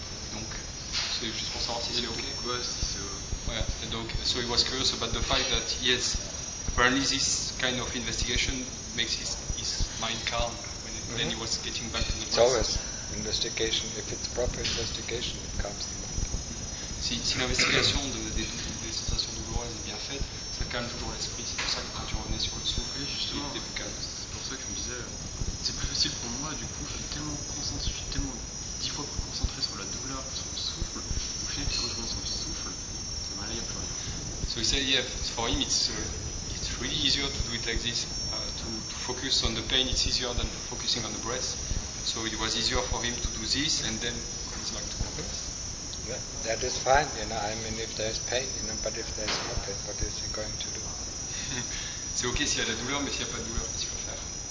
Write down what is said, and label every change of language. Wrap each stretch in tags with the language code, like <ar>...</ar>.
<fr>Donc, c'est juste pour savoir si c'est OK.</fr> <en>So he was curious about the fact that, yes, apparently this kind of investigation makes his mind calm. Then he was getting back to the process. It's always investigation. If it's proper investigation, it calms the mind.</en> <fr>Si l'investigation des sensations douloureuses. rigoureuse et bien faite, ça calme toujours l'esprit. C'est pour ça que quand tu revenais sur le souffle, justement, t'es plus calme. C'est pour ça que je me disais, c'est plus facile pour moi, du coup, je suis tellement 10 fois plus concentré sur la douleur que sur le souffle. Au final, quand je reviens sur le souffle, ça m'a l'air plus rien.</fr> <en>So he said, yeah, for him, it's really easier to do it like this. To focus on the pain, it's easier than focusing on the breath. So it was easier for him to do this and then come back to the breath. Yeah, that is fine, you know. I mean, if there's pain, you know, but if there's no pain, what is he going to do?</en> <fr>C'est ok s'il y a de la douleur, mais s'il n'y a pas de douleur, qu'est-ce qu'il va faire?</fr>